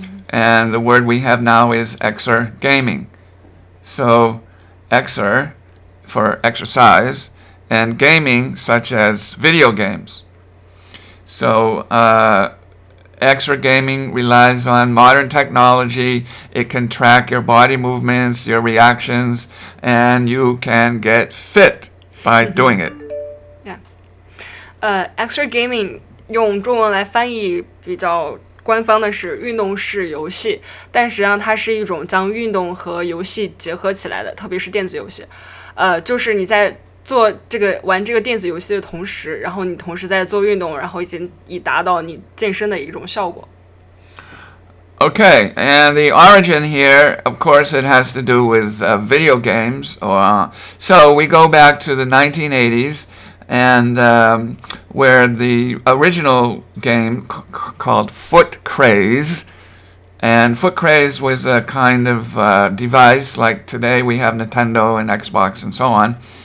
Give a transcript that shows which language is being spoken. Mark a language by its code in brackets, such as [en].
[en] And the word we have now is exer gaming. So exer for exercise and gaming such as video games. So exer gaming relies on modern technology. It can track your body movements, your reactions, and you can get fit by doing it. [zh] Extra gaming 用中文来翻译比较官方的是运动式游戏，但实际上它是一种将运动和游戏结合起来的，特别是电子游戏。就是你在做这个玩这个电子游戏的同时，然后你同时在做运动，然后已达到你健身的一种效果。 [en] Okay, and the origin here, of course, it has to do with video games. So we go back to the 1980s, and where the original game called Foot Craze, and Foot Craze was a kind of device like today we have Nintendo and Xbox and so on.